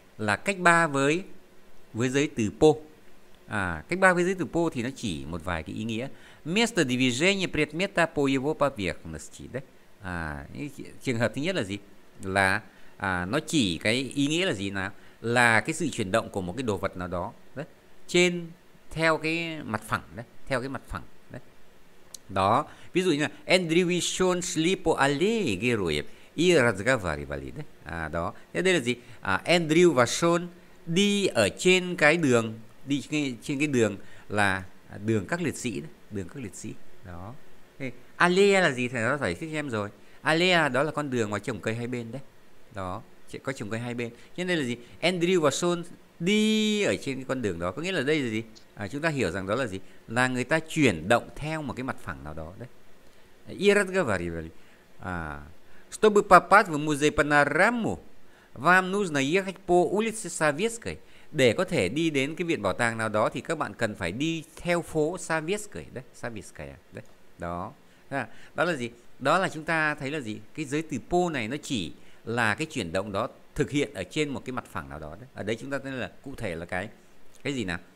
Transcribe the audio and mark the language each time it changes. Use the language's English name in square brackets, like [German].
[Vietnamese] Là cách 3 với giới từ по. À cách 3 với giới từ по thì nó chỉ một vài cái ý nghĩa. [Russian] Место движения предмета по его поверхности, đấy. [Vietnamese] À trường hợp thứ nhất là gì? Là nó chỉ cái ý nghĩa là gì nào? Là cái sự chuyển động của một cái đồ vật nào đó đấy. Trên theo cái mặt phẳng đấy, theo cái mặt phẳng đấy. Đó. Ví dụ như [Russian] Andrewishon Slipo Ale Geroyev i Razgavarivali [Vietnamese] đấy. À đó. Thế đây là gì? À Andrew và Sean đi ở trên cái đường, đi trên cái đường là đường các liệt sĩ đấy, đường các liệt sĩ. Đó. Ale là gì thầy đã giải thích em rồi. Ale đó là con đường ngoài trồng cây hai bên đấy. Đó, có trồng cây hai bên. Nhưng đây là gì? Andrew và Sean đi ở trên cái con đường đó. Có nghĩa là đây là gì? À, chúng ta hiểu rằng đó là gì? Là người ta chuyển động theo một cái mặt phẳng nào đó đấy. [Russian] Ирод говорил, чтобы попасть в музей панораму, вам нужно ехать по улице Советской. [Vietnamese] Để có thể đi đến cái viện bảo tàng nào đó thì các bạn cần phải đi theo phố Советской đấy. Советской đấy. Đó. Đó là gì? Đó là chúng ta thấy là gì? Cái giới từ po này nó chỉ là cái chuyển động đó thực hiện ở trên một cái mặt phẳng nào đó đấy. Ở đây chúng ta thấy là cụ thể là cái gì nào?